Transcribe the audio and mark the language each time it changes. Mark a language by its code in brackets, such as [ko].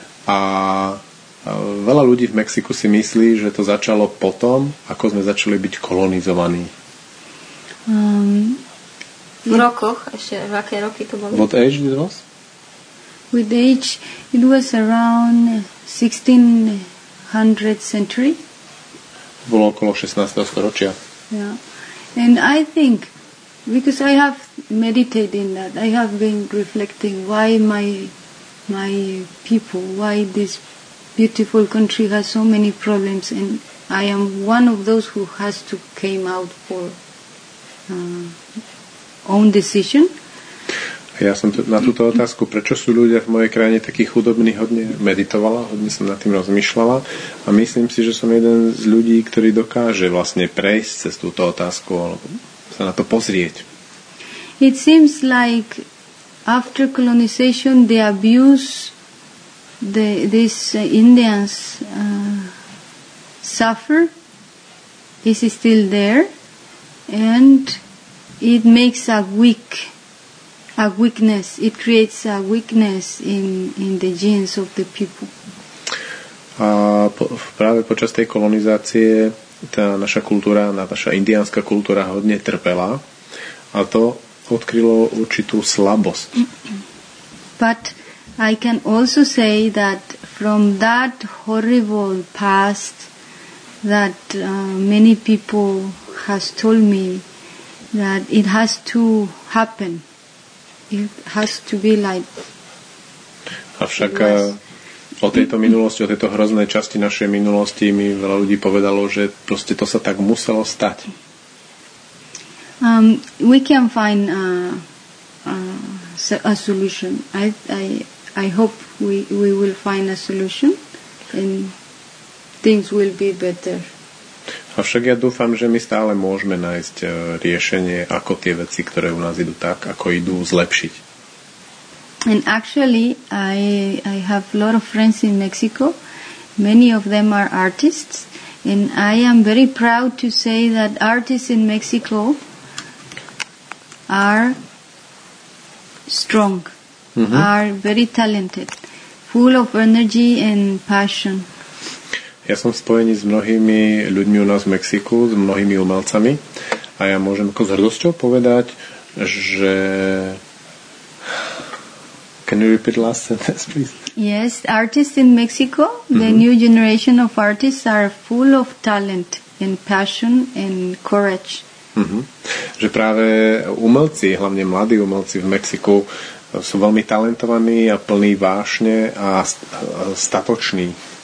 [sk] A veľa ľudí v Mexiku si myslí, že to začalo potom, ako sme začali byť kolonizovaní. V rokoch, ešte v aké roky to bolo? [en] What age it was? With age, it was around 1600 century. [sk] Bolo okolo 16. storočia. [en] Yeah. And I think, because I have meditated in that, I have been reflecting why my people, why this beautiful country has so many problems, and I am one of those who has to came out for own decision. [sk] Ja som na túto otázku, prečo sú ľudia v mojej krajine takí chudobní, hodne meditovala, hodne som nad tým rozmýšľala a myslím si, že som jeden z ľudí, ktorý dokáže vlastne prejsť cez túto otázku alebo sa na to pozrieť. [en] It seems like after colonization they abuse these Indians suffer. This is still there and it makes a weak a weakness. It creates a weakness in the genes of the people. [sk] A práve počas tej kolonizácie tá naša kultúra, naša indiánska kultúra hodne trpela a to odkrylo určitú slabosť. [en] But I can also say that from that horrible past that many people has told me that it has to happen. It has to be like... [sk] Avšak o tejto minulosti, o tejto hroznej časti našej minulosti mi veľa ľudí povedalo, že proste to sa tak muselo stať. [en] We can find a solution. I hope we will find a solution and things will be better. [sk] Avšak ja dúfam, že my stále môžeme nájsť riešenie, ako tie veci, ktoré u nás idú tak, ako idú, zlepšiť. [en] And actually, I have a lot of friends in Mexico. Many of them are artists. And I am very proud to say that artists in Mexico are strong, mm-hmm. are very talented, full of energy and passion. [sk] Ja som spojený s mnohými ľuďmi u nás v Mexiku, s mnohými umelcami. A ja môžem ako s hrdosťou povedať, že... [en] Can you repeat last sentence, please? Yes, artists in Mexico, the mm-hmm. new generation of artists are full of talent and passion and courage. Mm-hmm. [sk] Že práve umelci, hlavne mladí umelci v Mexiku, sú veľmi talentovaní a plní vášne a statoční.